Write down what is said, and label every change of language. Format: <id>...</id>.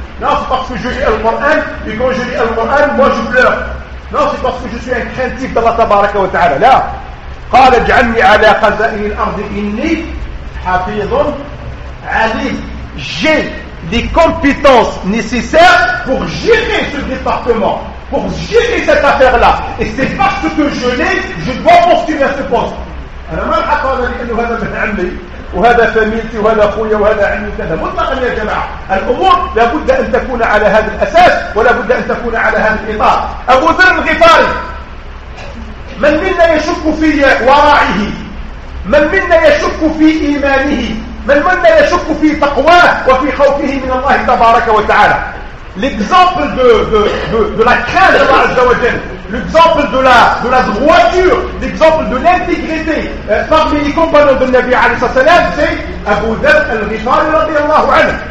<fr>Non, c'est parce que je lis le Coran, et quand je lis le Coran, moi je pleure. Non, c'est parce que je suis un craintif d'Allah Tabaraka wa Ta'ala.</fr> <ar>Là, قال اجعلني على خزائن الارض اني حفيظ عليم.</ar> <fr>J'ai les compétences nécessaires pour gérer ce département, pour gérer cette affaire-là. Et c'est parce que je l'ai, je dois postuler à ce poste.</fr> <ar>انا ما راح اقول لك انه هذا ابن عمي وهذا فاميلتي وهذا اخويا وهذا عمي كذا مطلقا يا جماعه. الامور لابد ان تكون على هذا الاساس ولابد ان تكون على هذا الاطار. ابو ذر الغفاري، من منا يشك في ورعه؟ من منا يشك في ايمانه؟ من منا يشك في تقواه وفي خوفه من الله تبارك وتعالى؟</ar> <fr>L'exemple de la crainte d'Allah Azza wa Jal, l'exemple de la droiture, l'exemple de l'intégrité parmi les compagnons de Nabi alayhi salam, c'est Abu Dhar al-Ghifari radiallahu anhu.</fr>